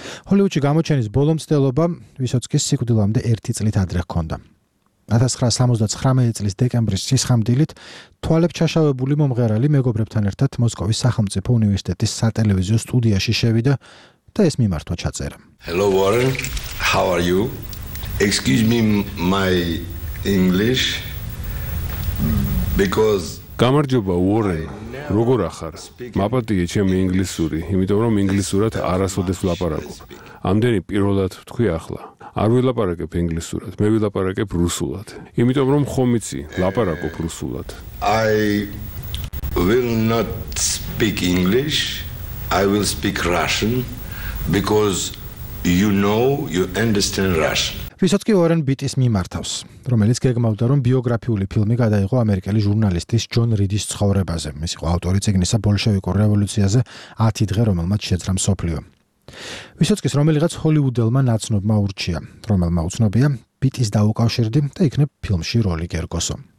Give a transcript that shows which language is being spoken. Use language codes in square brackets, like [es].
[ka] ჰოლივუდში გამოჩენის ბოლო მცდელობა ვისოცკის სიკვდილამდე ერთი წლით ადრე ჰქონდა. 1979 წლის დეკემბრის სისხამდილით თვალებ ჩაშავებული მომღერალი მეგობრებთან ერთად მოსკოვის სახელმწიფო უნივერსიტეტის სატელევიზიო სტუდიაში შევიდა და ეს მიმართვა ჩაწერა. [en] Hello Warren, how are you? Excuse me my English because [ka] გამარჯობა უორენ, როგორ ახარ? მაპატიე ჩემი ინგლისური, იმიტომ რომ ინგლისურად არასოდეს ვლაპარაკობ. ამდენი პირველად ვთქვი ახლა. არ ვილაპარაკებ ინგლისურად, მე ვილაპარაკებ რუსულად. იმიტომ რომ ხომიცი, ლაპარაკობ რუსულად. [en] I will not speak English. I will speak Russian because you know you understand Russian. [ka] ვისოცკი უორენ ბიტის მიმართავს, რომელიც გეგმავდა, რომ ბიოგრაფიული ფილმი გადაიღო ამერიკელი ჟურნალისტის ჯონ რიდის ცხოვრებაზე, მის იყო ავტორი წიგნისა ბოლშევიკურ რევოლუციაზე 10 დღე, რომელმაც შეძრა მსოფლიო. ვისოცკის რომელიღაც ჰოლივუდელმა ნაცნობმა ურჩია, რომელმა უცნობია, ბიტის დაუკავშირდი და იქნებ ფილმში როლი გერგოსო.